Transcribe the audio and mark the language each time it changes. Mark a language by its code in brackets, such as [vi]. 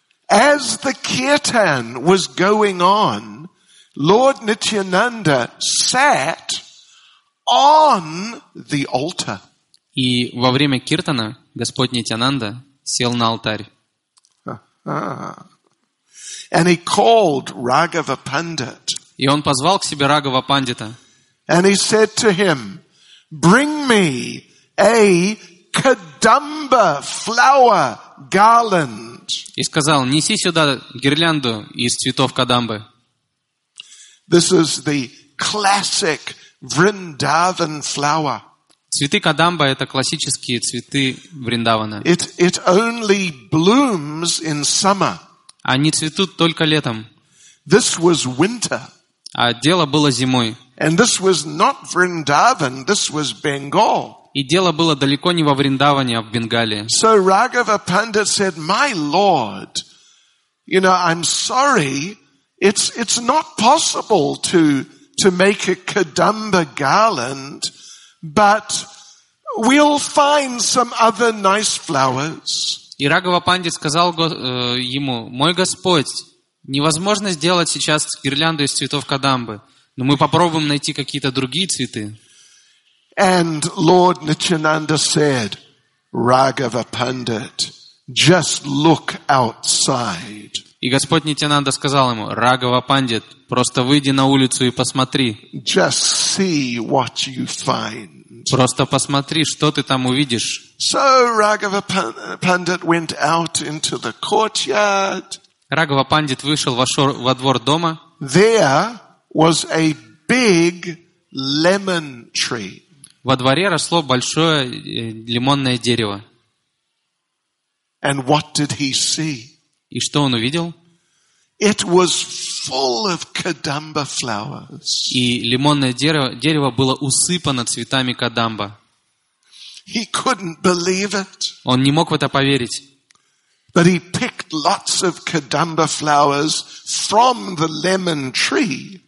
[en] As the kirtan was going on, Lord Nityananda sat on the altar. [ru] И во время киртана Господь Нитянанда сел на алтарь. [en] And he called Raghava Pandit. [ru] И он позвал к себе Рагава Пандита. [en] And he said to him, bring me a kadamba flower garland. [ru] И сказал, неси сюда гирлянду из цветов кадамбы. [en] This is the classic Vrindavan flower. [ru] Цветы кадамба – это классические цветы Вриндавана. [en] It only blooms in summer. [ru] Они цветут только летом. [en] This was winter. [ru] А дело было зимой. [en] And this was not Vrindavan, this was Bengal. [ru] И дело было далеко не во Вриндаване, а в Бенгалии. [en] So Raghava Pandit said, "My Lord, you know, I'm sorry, it's not possible to make a Kadamba garland, but we'll find some other nice flowers." [ru] И Раghava Pandit сказал ему: "Мой Господь, невозможно сделать сейчас гирлянду из цветов Кадамбы, но мы попробуем найти какие-то другие цветы." [en] And Lord Nityananda said, "Raghava Pandit, just look outside." [ru] И Господь Нитянанда сказал ему: "Раghava Pandit, просто выйди на улицу и посмотри." [en] Just see what you find. [ru] Просто посмотри, что ты там увидишь. [en] So Raghava Pandit went out into the courtyard. [ru] Raghava Pandit вышел во двор дома. [en] There was a big lemon tree. [ru] Во дворе росло большое лимонное дерево. [en] And what did he see? [ru] И что он увидел? [en] It was full of Kadamba flowers. [ru] И лимонное дерево было усыпано цветами Кадамба. [en] He couldn't believe it. [ru] Он не мог в это поверить. [en] But he picked lots of Kadamba flowers from the lemon tree.